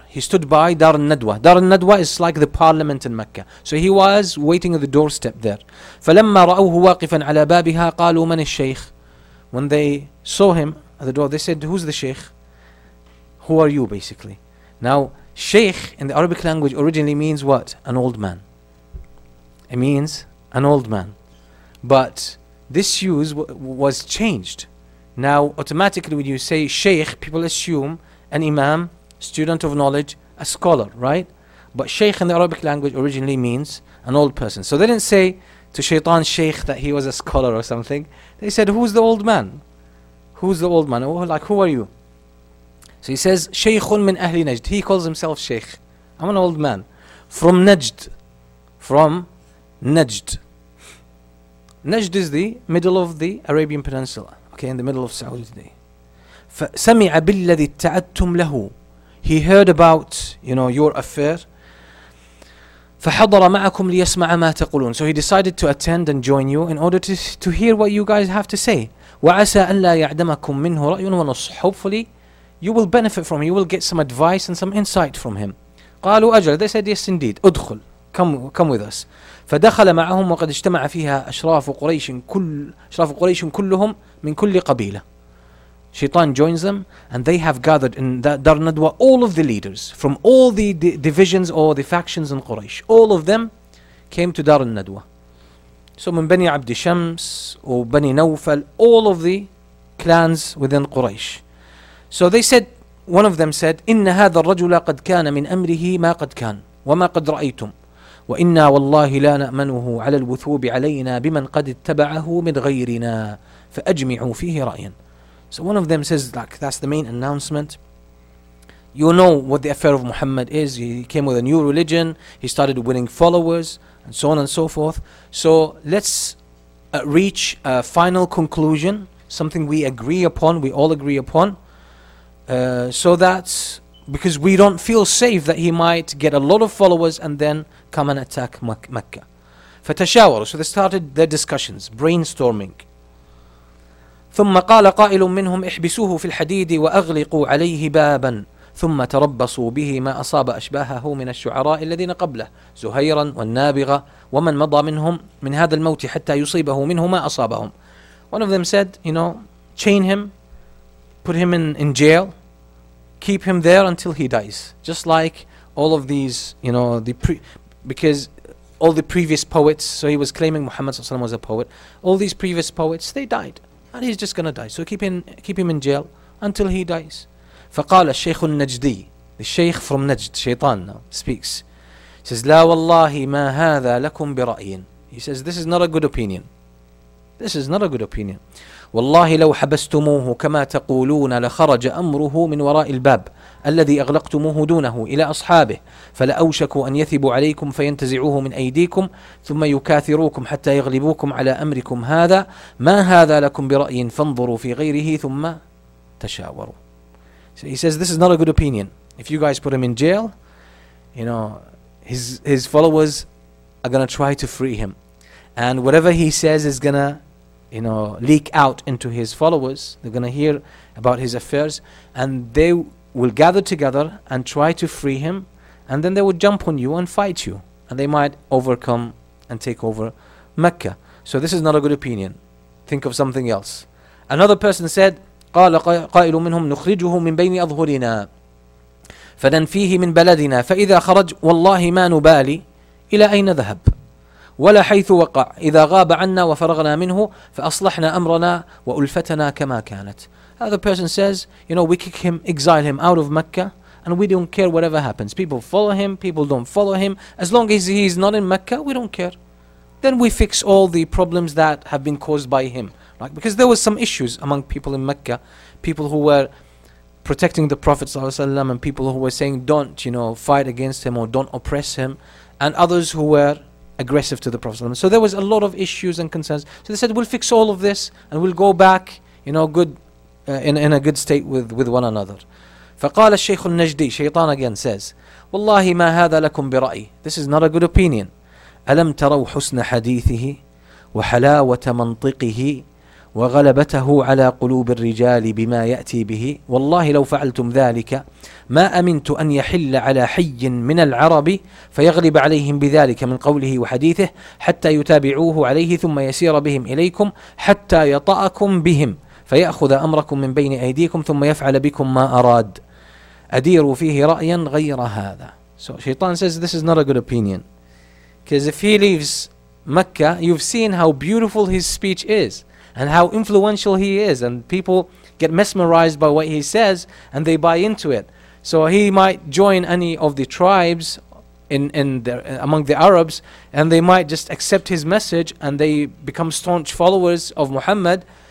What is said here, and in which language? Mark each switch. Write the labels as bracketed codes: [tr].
[en] He stood by دار الندوة. دار الندوة is like the parliament in Mecca. So he was waiting at the doorstep there. [ar] فلما رأوه واقفا على بابها قالوا من الشيخ. [en] When they saw him at the door, they said, who's the sheikh? Who are you basically? Now, sheikh in the Arabic language originally means what? An old man. It means an old man. But this use was changed. Now, automatically when you say sheikh, people assume an imam, student of knowledge, a scholar, right? But sheikh in the Arabic language originally means an old person. So they didn't say to Shaytan sheikh that he was a scholar or something. They said, who's the old man? Who's the old man? Like, who are you? So he says, [ar] sheikhun min ahli Najd. [en] He calls himself sheikh. I'm an old man. From Najd. From Najd. Najd is the middle of the Arabian Peninsula. Okay, in the middle of Saudi today. [ar] فسمع بالذي اتعدتم له. [en] He heard about, you know, your affair. [ar] فحضر معكم ليسمع ما تقولون. [en] So he decided to attend and join you in order to hear what you guys have to say. [ar] وعسى أن لا يعدمكم منه رأي ونص. [en] Hopefully, you will benefit from him. You will get some advice and some insight from him. [ar] قالوا أجل. [en] They said yes indeed. [ar] أدخل. [en] Come with us. [ar] فدخل معهم وقد اجتمع فيها أشراف قريش كلهم من كل قبيلة. [en] Shaitan joins them, and they have gathered in that Dar Nadwa all of the leaders from all the divisions or the factions in Quraysh. All of them came to Dar Nadwa. So [ar] من بني عبد شمس وبني نوفل, [en] all of the clans within Quraysh. So they said, one of them said, [ar] إن هذا الرجل قد كان من أمره ما قد كان وما قد رأيتم وإنا والله لا نأمنه على الوثوب علينا بمن قد اتبعه من غيرنا فأجمعوا فيه رأيا. [en] So one of them says, like, that's the main announcement. You know what the affair of Muhammad is. He came with a new religion. He started winning followers and so on and so forth. So let's reach a final conclusion, something we agree upon, we all agree upon. So that, because we don't feel safe that he might get a lot of followers and then come and attack Mecca. [ar] فتشاوروا. [en] So they started their discussions, brainstorming. [ar] ثم قال قائل منهم احبسوه في الحديد وأغلقوا عليه بابا ثم تربصوا به ما أصاب أشباهه من الشعراء الذين قبله زهيرا والنابغة ومن مضى منهم من هذا الموت حتى يصيبه منه ما أصابهم. [en] One of them said, you know, chain him, put him in jail, keep him there until he dies, just like all of these, you know, because all the previous poets. So he was claiming Muhammad sallallahu alaihi wasallam was a poet. All these previous poets, they died, and he's just gonna die. So keep him in jail until he dies. [ar] فقال الشيخ النجدي, [en] the Sheikh from Najd, Shaitan now speaks, says, [ar] لا والله ما هذا لكم برأي. [en] He says, this is not a good opinion. This is not a good opinion. [ar] والله لو حبستموه كما تقولون لخرج أمره من وراء الباب الذي أغلقتموه دونه إلى أصحابه فلأوشكوا أن يثبوا عليكم فينتزعوه من أيديكم ثم يكاثروكم حتى يغلبوكم على أمركم هذا ما هذا لكم برأي فانظروا في غيره ثم تشاوروا. [en] So he says, this is not a good opinion. If you guys put him in jail, you know, his followers are gonna try to free him, and whatever he says is gonna, you know, leak out into his followers. They're gonna hear about his affairs, and they will gather together and try to free him, and then they will jump on you and fight you, and they might overcome and take over Mecca. So this is not a good opinion. Think of something else. Another person said, [ar] قال قائل منهم نخرجه من بين أظهرنا فننفيه من بلدنا فإذا خرج والله ما نبالي إلى أين ذهب ولا حيث وقع إذا غاب عنا وفرغنا منه فأصلحنا أمرنا وألفتنا كما كانت. [en] Other person says, you know, we kick him, exile him out of Mecca, and we don't care whatever happens. People follow him, people don't follow him. As long as he is not in Mecca, we don't care. Then we fix all the problems that have been caused by him. Like, because there was some issues among people in Mecca, people who were protecting the Prophet ﷺ, and people who were saying, don't, you know, fight against him or don't oppress him, and others who were aggressive to the Prophet. So there was a lot of issues and concerns. So they said, we'll fix all of this and we'll go back, you know, in a good state with one another. [ar] فقال الشيخ النجدي, [en] Shaitan again says, [ar] والله ما هذا لكم برأي. [en] This is not a good opinion. [ar] ألم تروا حسن حديثه وحلاوة منطقه وغلبته على قلوب الرجال بما يأتي به والله لو فعلتم ذلك ما أمنت أن يحل على حي من العرب فيغلب عليهم بذلك من قوله وحديثه حتى يتابعوه عليه ثم يسير بهم إليكم حتى يطأكم بهم فيأخذ أمركم من بين أيديكم ثم يفعل بكم ما أراد أديروا فيه رأيا غير هذا. [en] So Shaitan says, this is not a good opinion, because if he leaves Mecca, you've seen how beautiful his speech is and how influential he is, and people get mesmerized by what he says and they buy into it. So he might join any of the tribes among the Arabs, and they might just accept his message and they become staunch followers of Muhammad.